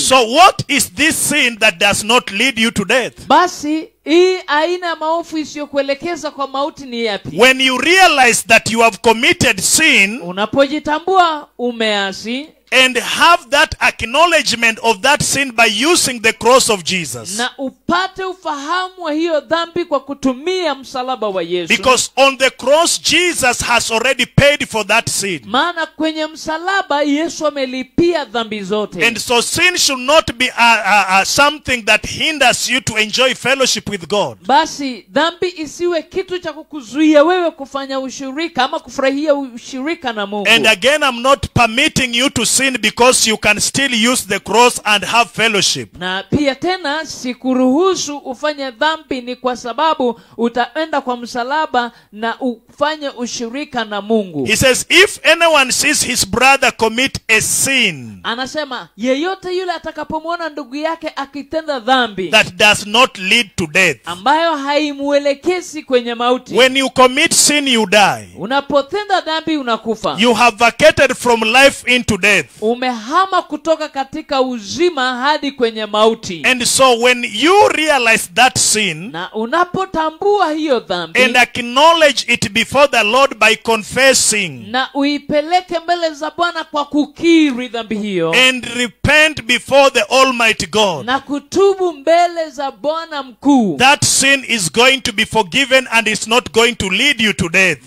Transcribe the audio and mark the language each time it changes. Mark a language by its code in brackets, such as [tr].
[en] So what is this sin that does not lead you to death? [sw] Basi hii aina ya maovu isiyokuelekeza kwa mauti ni yapi? [en] When you realize that you have committed sin. [sw] Unapojitambua umeasi. [en] And have that acknowledgement of that sin by using the cross of Jesus. [sw] Na upate ufahamu wa hiyo dhambi kwa kutumia msalaba wa Yesu. [en] Because on the cross Jesus has already paid for that sin. [sw] Maana kwenye msalaba Yesu amelipia dhambi zote. [en] And so sin should not be something that hinders you to enjoy fellowship with God. [sw] Basi dhambi isiwe kitu cha kukuzuia wewe kufanya ushirika ama kufurahia ushirika na Mungu. [en] And again I'm not permitting you to sin because you can still use the cross and have fellowship. [sw] Na pia tena sikuruhusu ufanye dhambi ni kwa sababu utaenda kwa msalaba na ufanye ushirika na Mungu. [en] He says if anyone sees his brother commit a sin. [sw] Anasema yeyote yule atakapomwona ndugu yake akitenda dhambi. [en] That does not lead to death. [sw] Ambayo haimuelekezi kwenye mauti. [en] When you commit sin you die. [sw] Unapotenda dhambi unakufa. [en] You have vacated from life into death. [sw] Umehama kutoka katika uzima hadi kwenye mauti. [en] And so when you realize that sin. [sw] Na unapotambua hiyo dhambi. [en] And acknowledge it before the Lord by confessing. [sw] Na uipeleke mbele za Bwana kwa kukiri dhambi hiyo. [en] And repent before the Almighty God. [sw] Na kutubu mbele za Bwana mkuu. [en] That sin is going to be forgiven and it's not going to lead you to death.